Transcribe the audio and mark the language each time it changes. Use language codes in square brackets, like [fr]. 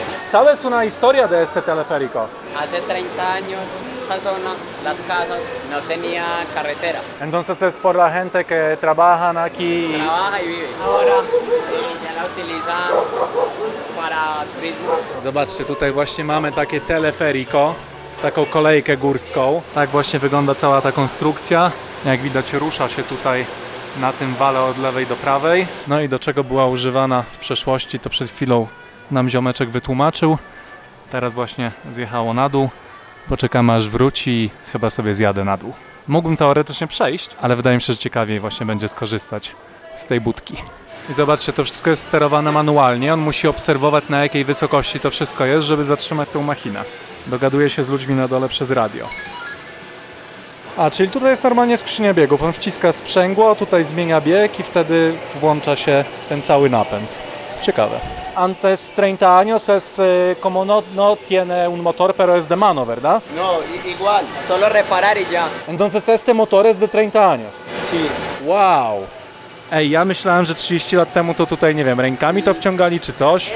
[es] ¿Cuál es una historia de este teleférico? Hace 30 años, esta zona, las casas, no tenía carretera. Entonces es por la gente que trabajan aquí. Trabaja y vive. Ahora ya la utilizan para turismo. [pl] Zobaczcie, tutaj właśnie mamy takie teleférico, taką kolejkę górską. Tak właśnie wygląda cała ta konstrukcja. Jak widać, rusza się tutaj na tym wale od lewej do prawej. No i do czego była używana w przeszłości, to przed chwilą nam ziomeczek wytłumaczył. Teraz właśnie zjechało na dół. Poczekamy, aż wróci i chyba sobie zjadę na dół. Mógłbym teoretycznie przejść, ale wydaje mi się, że ciekawiej właśnie będzie skorzystać z tej budki. I zobaczcie, to wszystko jest sterowane manualnie. On musi obserwować, na jakiej wysokości to wszystko jest, żeby zatrzymać tą machinę. Dogaduje się z ludźmi na dole przez radio. A, czyli tutaj jest normalnie skrzynia biegów. On wciska sprzęgło, tutaj zmienia bieg i wtedy włącza się ten cały napęd. Ciekawe. [es] Antes 30 años es como no tiene un motor, pero es de mano, ¿verdad? No, igual, solo reparar y ya. Entonces este motor es de 30 años. Sí. Wow. [pl] Ej, ja myślałem, że 30 lat temu to tutaj, nie wiem, rękami to wciągali czy coś.